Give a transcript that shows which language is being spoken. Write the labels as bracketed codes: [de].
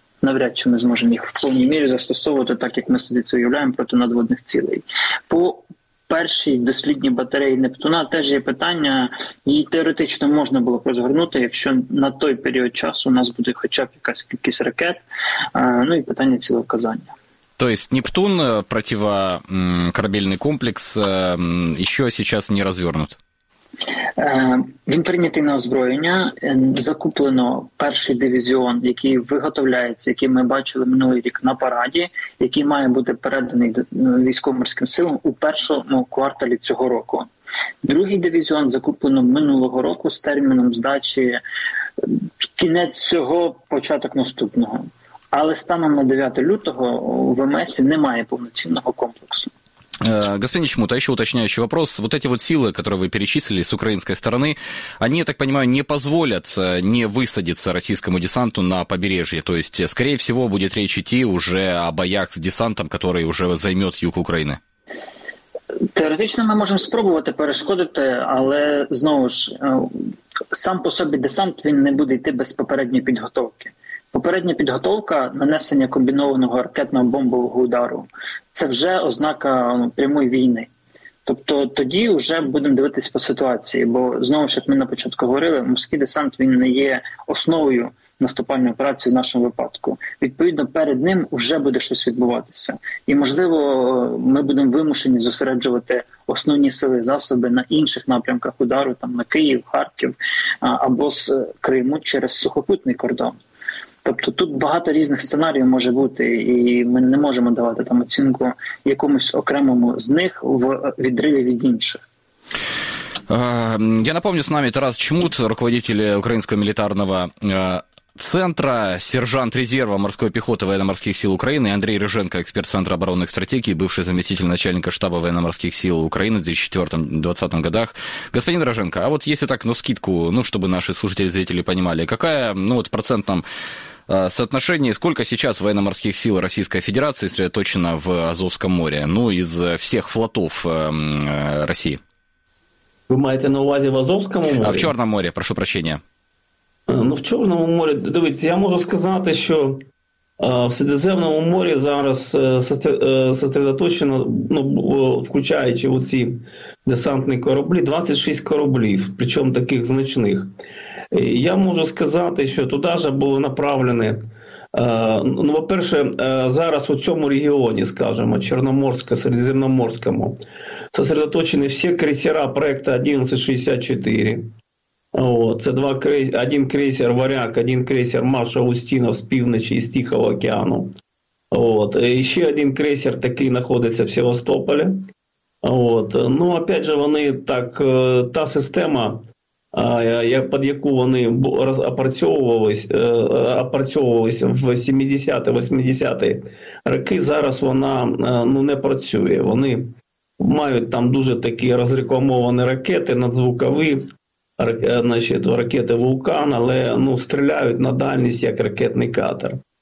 [uk] Навряд чи ми зможемо їх в повній мірі застосовувати, так як ми собі це уявляємо, проти надводних цілей. По перші дослідні батареї Нептуна теж є питання, її теоретично можна було б розгорнути, якщо на той період часу у нас буде хоча б якась кількість ракет, ну і питання цілеуказання. [ru] То есть Нептун, противокорабельный комплекс, еще сейчас не развернут? [uk] Він прийнятий на озброєння, закуплено перший дивізіон, який виготовляється, який ми бачили минулий рік на параді, який має бути переданий військово-морським силам у першому кварталі цього року. Другий дивізіон закуплено минулого року з терміном здачі кінець цього, початок наступного. Але станом на 9 лютого в МС немає повноцінного комплексу. [ru] Господин Чмут, а еще уточняющий вопрос. Вот эти вот силы, которые вы перечислили с украинской стороны, они, я так понимаю, не позволят не высадиться российскому десанту на побережье. То есть, скорее всего, будет речь идти уже о боях с десантом, который уже займет юг Украины. [uk] Теоретично ми можемо спробувати перешкодити, але, знову ж, сам по собі десант, він не буде йти без попередньої підготовки. Попередня підготовка нанесення комбінованого ракетно-бомбового удару – це вже ознака прямої війни. Тобто тоді вже будемо дивитися по ситуації, бо, знову ж, як ми на початку говорили, морський десант, він не є основою наступальної операції в нашому випадку. Відповідно, перед ним вже буде щось відбуватися. І, можливо, ми будемо вимушені зосереджувати основні сили, засоби на інших напрямках удару, там на Київ, Харків або з Криму через сухопутний кордон. Тобто тут багато різних сценаріїв може бути, і ми не можемо давати там оцінку якомусь окремому з них в відриві від інших. [ru] Я напомню, [uk] з нами [ru] Тарас Чмут, руководитель Українського мілітарного центра, сержант резерва морской пехоты военно-морских сил Украины, Андрей Рыженко, эксперт Центра оборонных стратегий, бывший заместитель начальника штаба военно-морских сил Украины в 2004-2020 годах. Господин Рыженко, а вот если так, навскидку, чтобы наши слушатели и зрители понимали, какая, в процентном соотношении, сколько сейчас военно-морских сил Российской Федерации сосредоточено в Азовском море, из всех флотов России? Вы имеете [uk] на увазе [ru] в Азовском море? В Черном море, прошу прощения. [uk] В Чорному морі, дивіться, я можу сказати, що в Середземному морі зараз сосредоточено, включаючи оці десантні кораблі, 26 кораблів, причому таких значних. Я можу сказати, що туди ж було направлене, по-перше, зараз у цьому регіоні, скажімо, Чорноморському, Середземноморському, [ru] сосредоточены все крейсера проекта 1164. Вот. [uk] Це два крейсера, один крейсер «Варяг», один крейсер «Маша Устинов» с півночі і з Тихого океану. [ru] Вот. И еще один крейсер такий находится в Севастополе. Вот. [uk] Ну, [ru] опять же, [uk] вони так, та система, под яку вони опрацьовувалися в 70-80-ті роки, зараз вона ну, не працює. Вони мають там дуже такі розрекламовані ракети, надзвукові, значить, ракети «Вулкан», але ну, стріляють на дальність як ракетний катер.